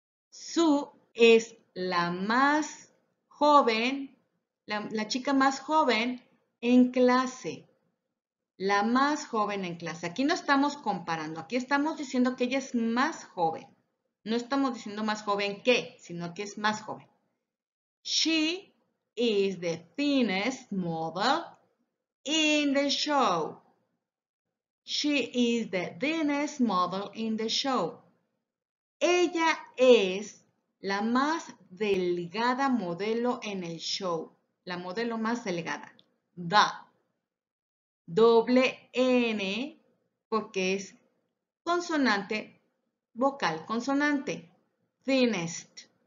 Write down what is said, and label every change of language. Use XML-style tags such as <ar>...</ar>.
<es>Sue es la más joven, la chica más joven en clase. La más joven en clase. Aquí no estamos comparando, aquí estamos diciendo que ella es más joven. No estamos diciendo más joven que, sino que es más joven.</es> <en>She is the thinnest model in the show. She is the thinnest model in the show.</en> <es>Ella es la más delgada modelo en el show. La modelo más delgada. The. Doble N porque es consonante, vocal, consonante. Thinnest.</es>